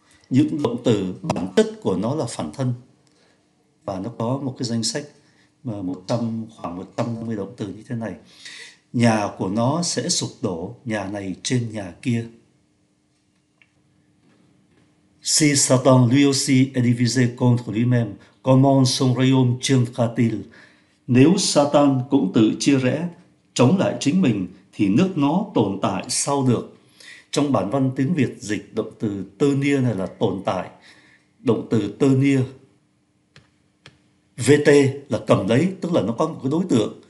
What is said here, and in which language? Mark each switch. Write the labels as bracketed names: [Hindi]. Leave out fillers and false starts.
[Vietnamese] Những động từ bản chất của nó là phản thân. Và nó có một cái danh sách mà khoảng 150 động từ như thế này. Nhà của nó sẽ sụp đổ, nhà này trên nhà kia. [French] Si Satan lui aussi est divisé contre lui-même, comment son royaume tiendra-t-il? [Vietnamese] Nếu Satan cũng tự chia rẽ, chống lại chính mình, thì nước nó tồn tại sao được? Trong bản văn tiếng Việt dịch động từ tơ nia này là tồn tại. Động từ tơ nia, VT là cầm lấy, tức là nó có một cái đối tượng.